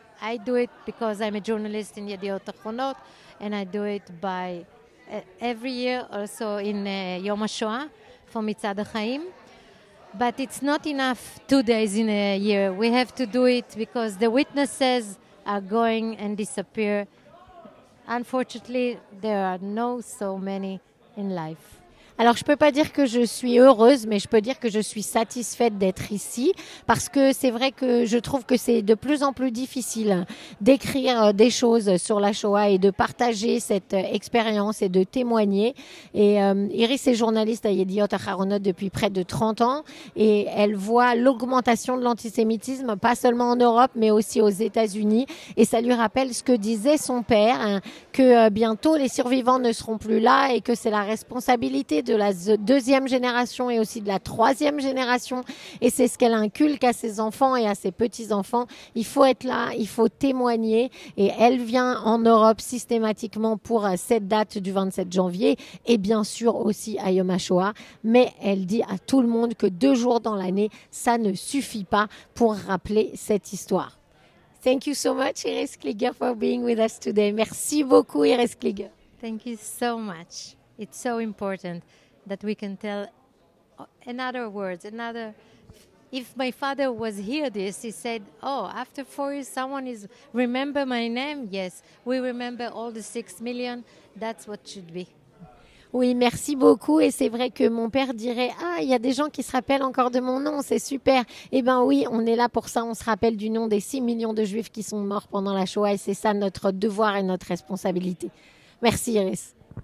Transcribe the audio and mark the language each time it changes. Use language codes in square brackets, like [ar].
[en] I do it because I'm a journalist in Yediot Achronot, and I do it by every year also in Yom HaShoah for Mitzad HaChaim. But it's not enough 2 days in a year. We have to do it because the witnesses are going and disappear. Unfortunately, there are no so many in life. [fr] Alors, je peux pas dire que je suis heureuse, mais je peux dire que je suis satisfaite d'être ici, parce que c'est vrai que je trouve que c'est de plus en plus difficile d'écrire des choses sur la Shoah et de partager cette expérience et de témoigner. Et Iris est journaliste à Yediot Aharonot depuis près de 30 ans et elle voit l'augmentation de l'antisémitisme, pas seulement en Europe, mais aussi aux États-Unis. Et ça lui rappelle ce que disait son père, hein, que bientôt les survivants ne seront plus là et que c'est la responsabilité de la deuxième génération et aussi de la troisième génération, et c'est ce qu'elle inculque à ses enfants et à ses petits-enfants. Il faut être là, il faut témoigner, et elle vient en Europe systématiquement pour cette date du 27 janvier et bien sûr aussi à Yom HaShoah. Mais elle dit à tout le monde que 2 jours dans l'année, ça ne suffit pas pour rappeler cette histoire. [en] Thank you so much, Iris Kliger, for being with us today. [fr] Merci beaucoup, Iris Kliger. [en] Thank you so much. It's so important that we can tell another words, another. If my father was here this, he said, oh, after 4 years, someone is remember my name. Yes, we remember all the 6 million. That's what should be. [fr] Oui, merci beaucoup. Et c'est vrai que mon père dirait, ah, il y a des gens qui se rappellent encore de mon nom, c'est super. Eh ben oui, on est là pour ça. On se rappelle du nom des 6 millions de Juifs qui sont morts pendant la Shoah. Et c'est ça notre devoir et notre responsabilité. Merci, Iris.